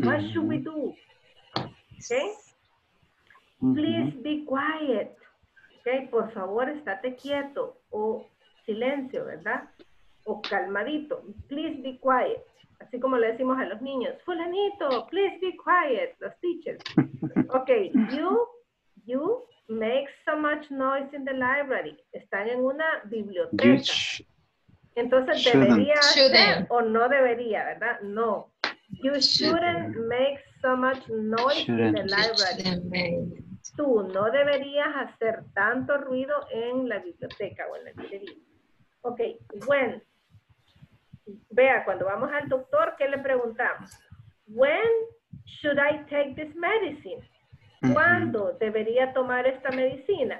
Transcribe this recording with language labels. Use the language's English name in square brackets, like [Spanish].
[English] What should we do? Okay. Please be quiet. [Spanish] Okay, por favor, estate quieto. O silencio, ¿verdad? O calmadito. [English] Please be quiet. [Spanish] Así como le decimos a los niños, fulanito, [English] please be quiet, [Spanish] los teachers. [English] Okay, you make so much noise in the library. [Spanish] Están en una biblioteca. Entonces, ¿debería hacer o no debería, verdad? No. [English] You shouldn't make so much noise in the library. [Spanish] Tú no deberías hacer tanto ruido en la biblioteca o en la librería. [English] Okay, when. [Spanish] Vea, cuando vamos al doctor, ¿qué le preguntamos? [English] When should I take this medicine? [Spanish] ¿Cuándo debería tomar esta medicina?